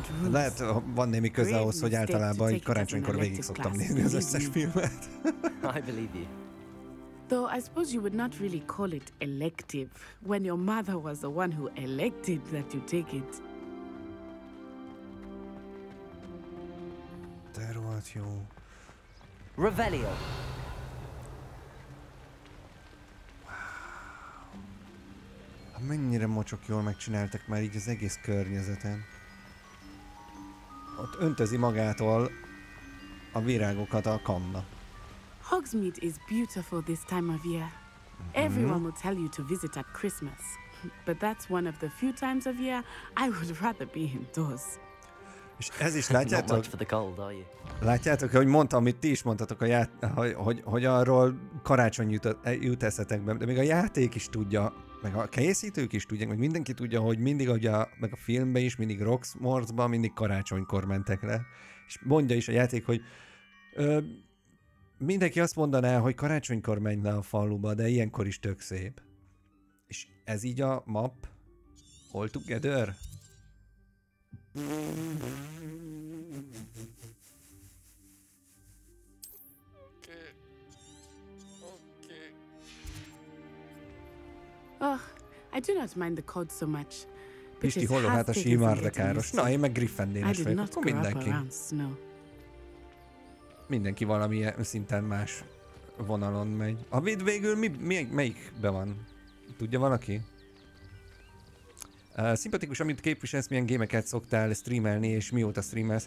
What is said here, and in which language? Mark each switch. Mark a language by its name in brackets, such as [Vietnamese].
[Hungarian] Lehet, van némi köze ahhoz, hogy általában egy karácsonykor végig szoktam nézni az összes filmet. [English] Though I suppose you would not really call it elective when your mother was the one who elected that you take it. There was your Revelio. Wow. [Hungarian] Mennyire mocsok jól megcsináltak már így az egész környezeten. Ott öntözi magától a virágokat a kanna. [English] Hogsmeade is beautiful this time of year. Everyone will tell you to visit at Christmas, but that's one of the few times of year I would rather be indoors. [Hungarian] És ez is látjátok. [English] Not much for the cold, are you? [Hungarian] Látjátok, hogy mondtam, amit ti is mondtatok a hogy arról karácsony jut eszetekbe, de még a játék is tudja, meg a készítők is tudják, meg mindenki tudja, hogy mindig ugye, meg a filmben is, mindig Rocksmorthban, mindig karácsonykor mentek le. És mondja is a játék, hogy mindenki azt mondaná, hogy karácsonykor menj le a faluba, de ilyenkor is tök szép. És ez így a map? [English] All together? Oh, I do not mind the cold so much. [Hungarian] Pisti, hol hát a simar, de káros. Na, én meg Gryffindéres vagyok, akkor mindenki. Mindenki valami szinten más vonalon megy. A vid végül melyik be van? Tudja valaki? Szimpatikus, amit képviselsz, milyen gémeket szoktál streamelni, és mióta streamelsz?